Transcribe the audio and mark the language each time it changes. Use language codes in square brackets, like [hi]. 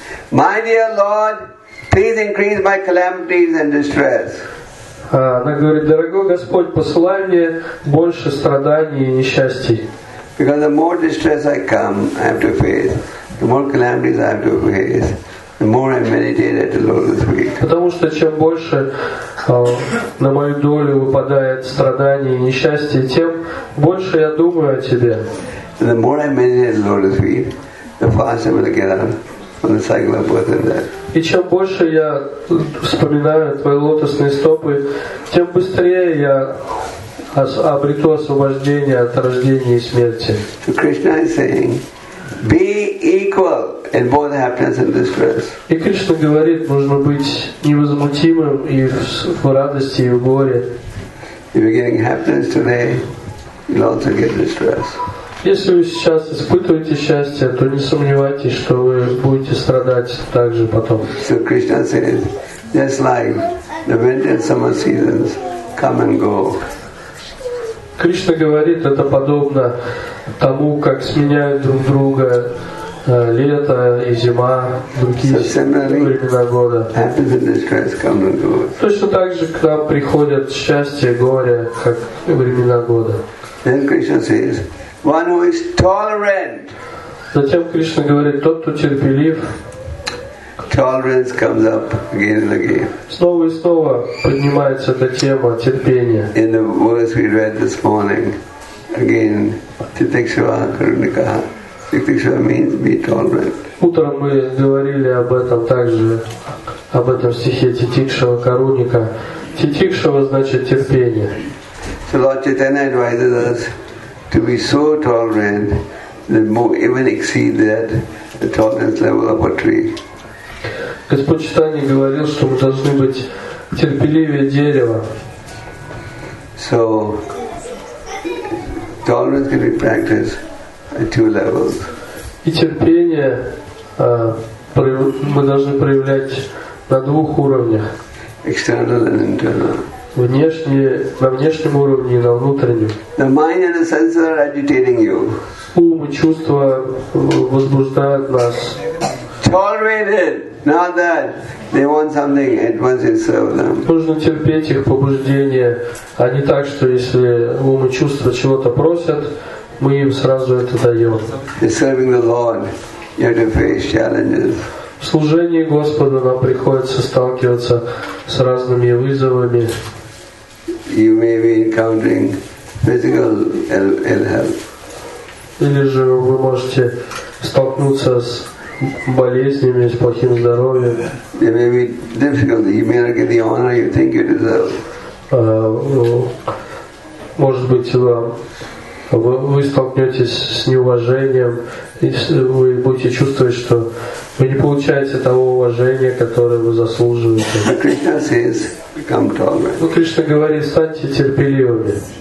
[en] My dear Lord, please increase my calamities and distress. [ru] Она говорит: дорогой Господь, посылай мне больше страданий и несчастий. [en] Because the more distress I come, I have to face, the more calamities I have to face, the more I meditate at the Lord's feet. [ru] Потому что чем больше на мою долю выпадает страданий и несчастий, тем больше я думаю о Тебе. [en] The more I meditate at the Lord's feet, the faster I will get out. On the cycle of birth and death. [ru] И чем больше я вспоминаю твои лотосные стопы, тем быстрее я обрету освобождение от рождения и смерти. [en] So Krishna is saying, be equal in both happiness and distress. [ru] И Кришна говорит, нужно быть невозмутимым и в радости, и в горе. [en] If you're getting happiness today, you'll also get distress. [ru] Если вы сейчас испытываете счастье, то не сомневайтесь, что вы будете страдать также потом. [en] So Krishna says, just like the winter and summer seasons come and go. [ru] Кришна говорит, это подобно тому, как сменяют друг друга лето и зима, другие времена года. [en] Happiness and distress come and go. [ru] Точно так же к нам приходят счастье и горе, как времена года. [en] Then Krishna says, one who is tolerant. [ru] Затем Кришна говорит, тот, кто терпелив. [en] Tolerance comes up again and again. [ru] Снова и снова поднимается эта тема терпения. [en] In the verse we read this morning, again, Titikshva Karunika. Titikshva means be tolerant. [ru] Утром мы говорили об этом также, об этом стихе Титикшва Каруника. Титикшва значит терпение. [en] So Lord Chaitanya advises us to be so tolerant that more even exceed that the tolerance level of a tree. [ru] Господь Читание говорил, что мы должны быть терпеливее дерева. [en] So tolerance can be practiced at two levels. [ru] И терпение мы должны проявлять на двух уровнях. [en] External and internal. [ru] На внешнем уровне и на внутреннем. [en] The mind and the senses are agitating you. [ru] Ум и чувства возбуждают нас. [en] Tolerate it. Not that they want something at once you serve them. [ru] Нужно терпеть их побуждение, а не так, что если ум и чувства чего-то просят, мы им сразу это даем. [en] In serving the Lord, you have to face challenges. [ru] В служении Господу нам приходится сталкиваться с разными вызовами. [en] You may be encountering physical ill health. [ru] Или же вы можете столкнуться с болезнями, с плохим здоровьем. [en] It may be difficult. You may not get the honor you think you deserve. [ru] Может быть, вам вы столкнетесь с неуважением, и вы будете чувствовать, что вы не получаете того уважения, которое вы заслуживаете. Ну, Кришна говорит, станьте терпеливыми.